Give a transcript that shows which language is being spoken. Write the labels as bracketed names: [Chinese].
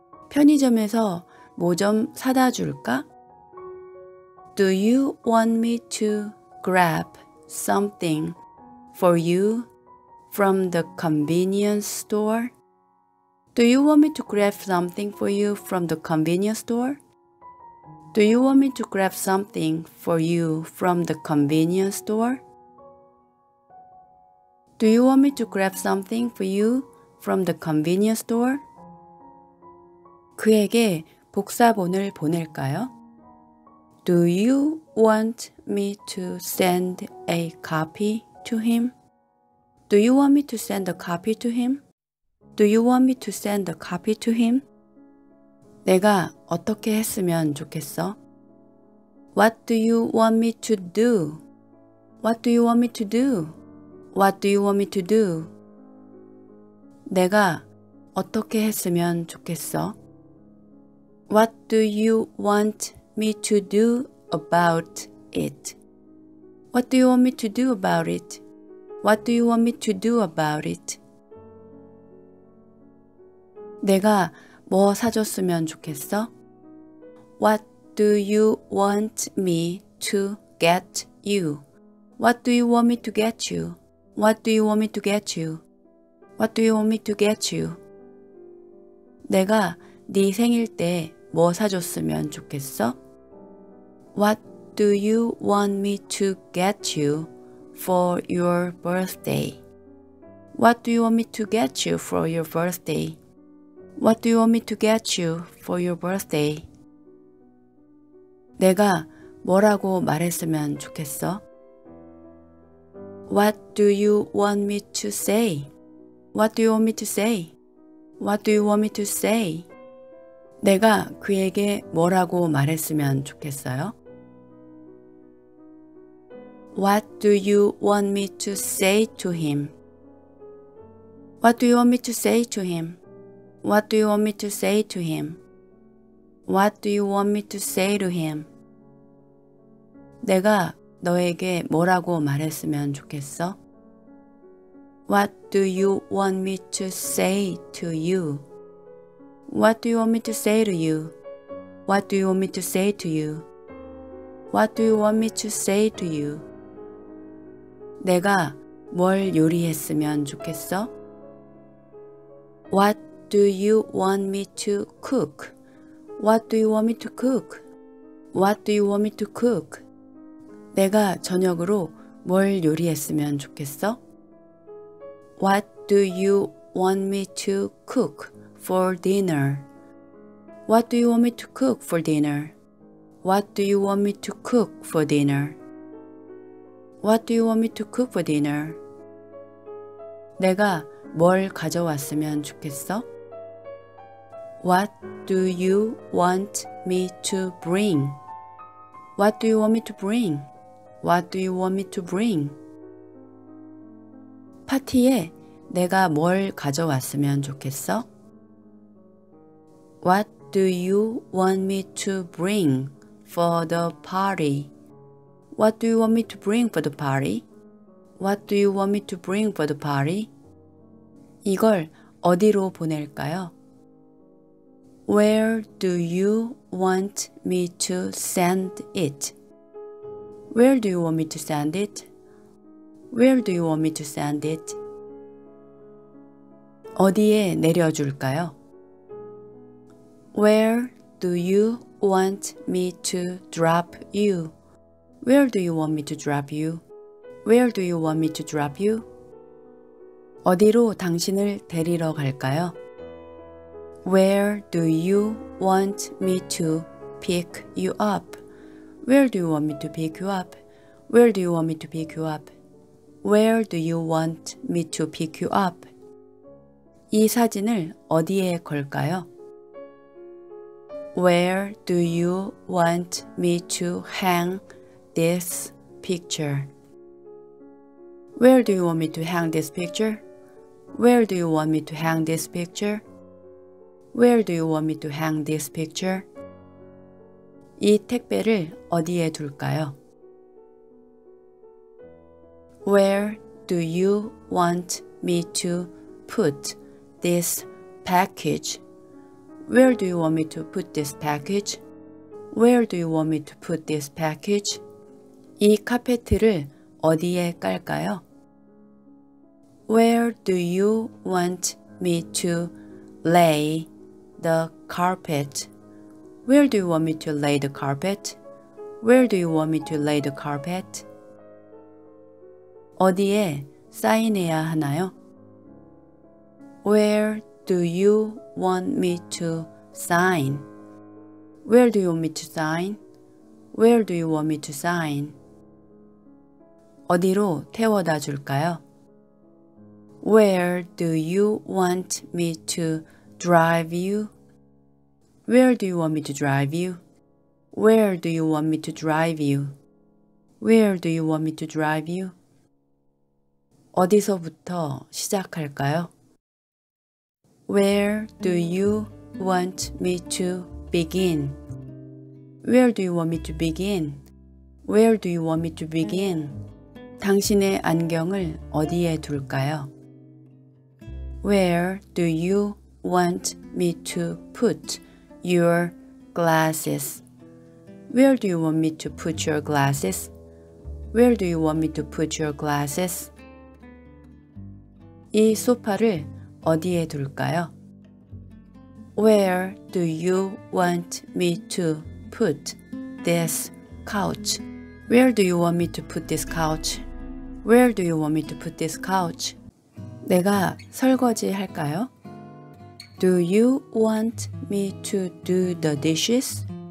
[Korean] 편의점에서 뭐 좀 사다 줄까? [English] Do you want me to grab something for you from the convenience store? Do you want me to grab something for you from the convenience store? Do you want me to grab something for you from the convenience store? Do you want me to grab something for you from the convenience store? [Korean] 그에게 복사본을 보낼까요? [English] Do you want me to send a copy to him? Do you want me to send a copy to him? Do you want me to send a copy to him? [Korean] 내가 어떻게 했으면 좋겠어? [English] What do you want me to do? What do you want me to do? What do you want me to do? [Korean] 내가 어떻게 했으면 좋겠어? [English] What do you want me to do about it? What do you want me to do about it? What do you want me to do about it? [Korean] 내가 뭐 사줬으면 좋겠어? [English] What do you want me to get you? What do you want me to get you? What do you want me to get you? What do you want me to get you? [Korean] 내가 네 생일 때 뭐 사줬으면 좋겠어? [English] What do you want me to get you for your birthday? What do you want me to get you for your birthday? What do you want me to get you for your birthday? [Korean] 내가 뭐라고 말했으면 좋겠어? [English] What do you want me to say? What do you want me to say? What do you want me to say? [Korean] 내가 그에게 뭐라고 말했으면 좋겠어요? [English] What do you want me to say to him? What do you want me to say to him? What do you want me to say to him? What do you want me to say to him? [Korean] 내가 너에게 뭐라고 말했으면 좋겠어? [English] What do you want me to say to you? What do you want me to say to you? What do you want me to say to you? What do you want me to say to you? [Korean] 내가 뭘 요리했으면 좋겠어? [English] What do you want me to cook? What do you want me to cook? What do you want me to cook? [Korean] 내가 저녁으로 뭘 요리했으면 좋겠어? [English] What do you want me to cook for dinner? What do you want me to cook for dinner? What do you want me to cook for dinner? What do you want me to cook for dinner? [Korean] 내가 뭘 가져왔으면 좋겠어? [English] What do you want me to bring? What do you want me to bring? What do you want me to bring? [Korean] 파티에 내가 뭘 가져왔으면 좋겠어? [English] What do you want me to bring for the party? What do you want me to bring for the party? What do you want me to bring for the party? [Korean] 이걸 어디로 보낼까요? [English] Where do you want me to send it? Where do you want me to send it? Where do you want me to send it? [Korean] 어디에 내려줄까요? [English] Where do you want me to drop you? Where do you want me to drop you? Where do you want me to drop you? [Korean] 어디로 당신을 데리러 갈까요? [English] Where do you want me to pick you up? Where do you want me to pick you up? Where do you want me to pick you up? Where do you want me to pick you up? [Korean] 이 사진을 어디에 걸까요? [English] Where do you want me to hang this picture? Where do you want me to hang this picture? Where do you want me to hang this picture? Where do you want me to hang this picture? [Korean] 이 택배를 어디에 둘까요? [English] Where do you want me to put this package? Where do you want me to put this package? Where do you want me to put this package? [Korean] 이 카페트를 어디에 깔까요? [English] Where do you want me to lay the carpet? Where do you want me to lay the carpet? Where do you want me to lay the carpet? [Korean] 어디에 사인해야 하나요? [English] Where do you want me to sign? Where do you want me to sign? Where do you want me to sign? [Korean] 어디로 태워다 줄까요? [English] Where do you want me to drive you? Where do you want me to drive you? Where do you want me to drive you? Where do you want me to drive you? [Korean] 어디서부터 시작할까요? [English] Where do you want me to begin? Where do you want me to begin? Where do you want me to begin? [Korean] 당신의 안경을 어디에 둘까요? [English] Where do you want me to put your glasses? Where do you want me to put your glasses? Where do you want me to put your glasses? [Korean] 이 소파를 어디에 둘까요? [English] Where do you want me to put this couch? Where do you want me to put this couch? Where do you want me to put this couch? [Korean] 내가 설거지 할까요? [English] Do you want me to do the dishes?